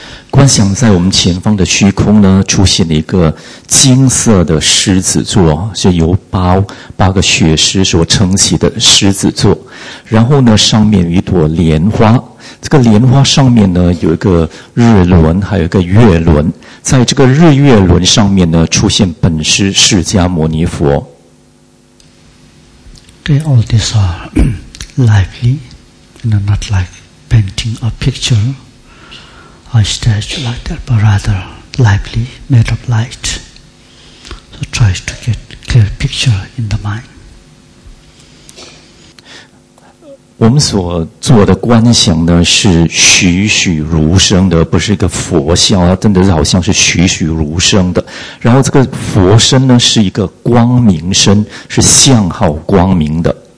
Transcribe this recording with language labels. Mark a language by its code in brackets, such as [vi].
[zh] 观想在我们前方的虚空呢，出现了一个金色的狮子座，是由八个雪狮所撑起的狮子座。然后呢，上面有一朵莲花，这个莲花上面呢有一个日轮，还有一个月轮。在这个日月轮上面呢，出现本师释迦牟尼佛。 [en] They all these are lively, and not like painting a picture. A statue like that, but rather lively, made of light. So try to get a clear picture in the mind. [zh] 我们所做的观想呢，是栩栩如生的，不是一个佛像啊，真的是好像是栩栩如生的。然后这个佛身呢，是一个光明身，是相好光明的。